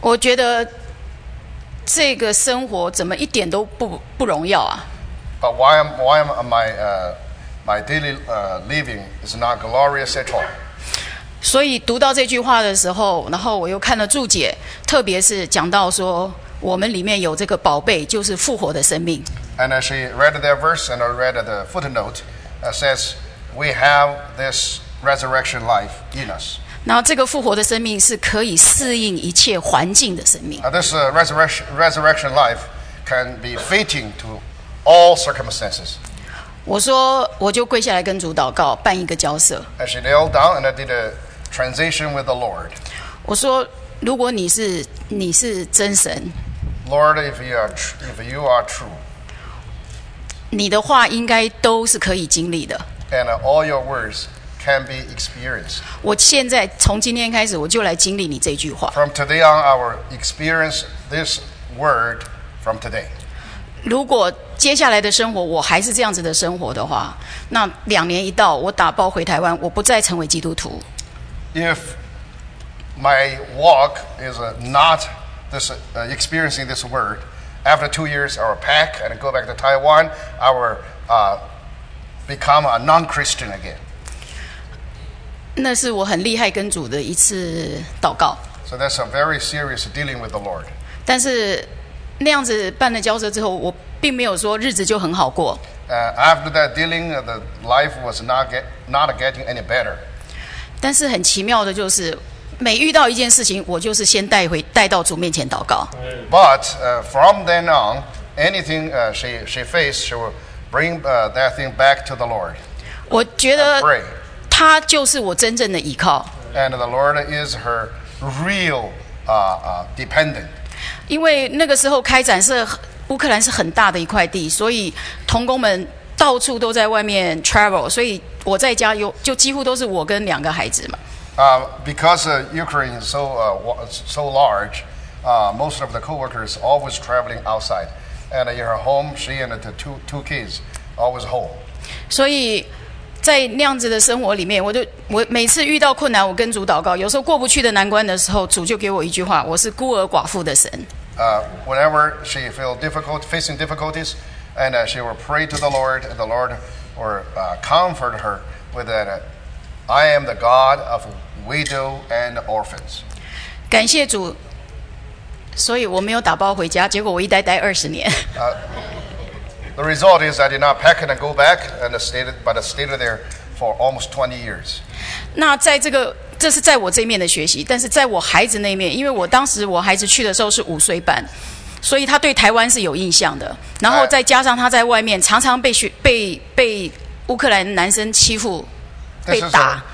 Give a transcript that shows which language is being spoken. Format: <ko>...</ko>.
<zh>我觉得这个生活怎么一点都不荣耀啊。</zh> <en>But why am my my daily living is not glorious at all?</en> <zh>所以读到这句话的时候，然后我又看了注解，特别是讲到说我们里面有这个宝贝，就是复活的生命。</zh> <en>And she read that verse and read the footnote says. We have this resurrection life in us.</en> <zh>然后这个复活的生命是可以适应一切环境的生命。</zh> <en>This resurrection life can be fitting to all circumstances.</en> <zh>我说我就跪下来跟主祷告，办一个交涉。</zh> <en>And she kneeled down and I did a transition with the Lord.</en> <zh>我说如果你是真神</zh> <en>，Lord, if you are true,</en> <zh>你的话应该都是可以经历的。</zh> <en>And all your words can be experienced.</en> <zh>我现在从今天开始，我就来经历你这句话。</zh> <en>From today on, I will experience this word from today.</en> <zh>如果接下来的生活我还是这样子的生活的话，那两年一到，我打包回台湾，我不再成为基督徒。</zh> <en>If my walk is not this experiencing this word, after 2 years, I will pack and go back to Taiwan. I willbecome a non-Christian again.</en> <zh>那是我很厉害跟主的一次祷告。</zh> <en>So that's a very serious dealing with the Lord.</en> <zh>但是那样子办了交涉之后，我并没有说日子就很好过。</zh> <en>After that dealing, the life was not getting any better.</en> <zh>但是很奇妙的就是，每遇到一件事情，我就是先带到主面前祷告。</zh> <en>But from then on, anything she faced, she will. Bring that thing back to the Lord.</en> <zh>我觉得他就是我真正的依靠。</zh> <en>And the Lord is her real dependent.</en> <zh>因为那个时候开展是乌克兰是很大的一块地，所以同工们到处都在外面 travel， 所以我在家就几乎都是我跟两个孩子嘛。</zh> <en>Because Ukraine is so large, most of the coworkers always traveling outside. and your home, she and the two kids, always whole.</en> <zh>所以在那样子的生活里面，我每次遇到困难，我跟主祷告，有时候过不去的难关的时候，主就给我一句话：我是孤儿寡妇的神。</zh> <en>Whenever she feel difficult, facing difficulties, and she will pray to the Lord, and the Lord will comfort her with that, I am the God of widow and orphans.</en> <zh>感谢主，所以我没有打包回家，结果我一待二十年。</zh> <en>The result is I did not pack and go back, and stayed there for almost 20 years.</en> <zh>那在这个这是在我这面的学习，但是在我孩子那面，因为我当时我孩子去的时候是五岁半，所以他对台湾是有印象的。然后再加上他在外面常常被乌克兰男生欺负，被打。</zh>